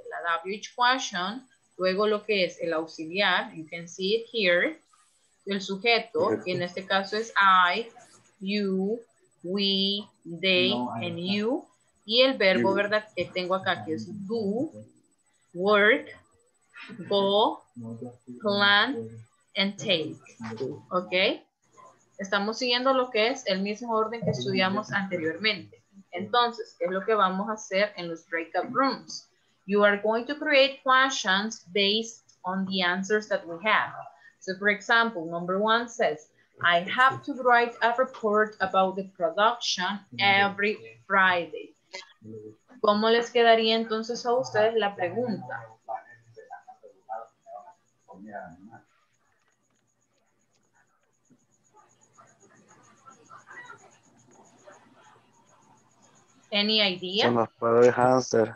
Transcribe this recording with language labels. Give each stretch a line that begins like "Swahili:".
Spanish: La WH question, luego lo que es el auxiliar,
English: you can see it here,
Spanish: el sujeto, que en este caso es I, you, we, they, and you, y el verbo, ¿verdad?, que tengo acá, que es do, work, go, plan, and take, ¿ok? Estamos siguiendo lo que es el mismo orden que estudiamos anteriormente. Entonces, ¿qué es lo que vamos a hacer en los breakout rooms?
English: You are going to create questions based on the answers that we have. So, for example, number one says, I have to write a report about the production every Friday.
Spanish: ¿Cómo les quedaría entonces a ustedes la pregunta?
English: Yeah. Any idea?
Spanish: Se nos puede dejar.